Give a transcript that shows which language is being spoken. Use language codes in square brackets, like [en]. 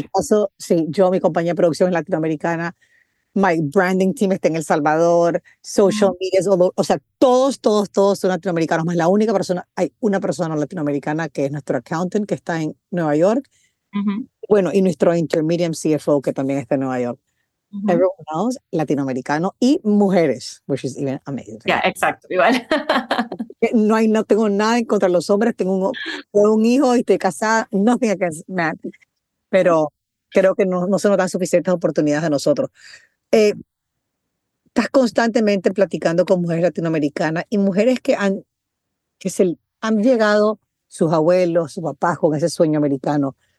[es] En mi caso, sí, yo, mi compañía de producción es latinoamericana, my branding team está en El Salvador, social media, o sea, todos son latinoamericanos, más la única persona, hay una persona latinoamericana que es nuestro accountant, que está en Nueva York, bueno, y nuestro intermediate CFO, que también está en Nueva York. [en] Everyone else, [es] latinoamericano y mujeres, [en] which is even amazing. [es] Yeah, exacto, igual. No tengo nada en contra de los hombres, tengo un hijo y estoy casada, [en] nothing against men, [es] pero creo que no se nos dan suficientes oportunidades a nosotros. Estás constantemente platicando con mujeres latinoamericanas y mujeres que han llegado, sus abuelos, sus papás, con ese sueño americano.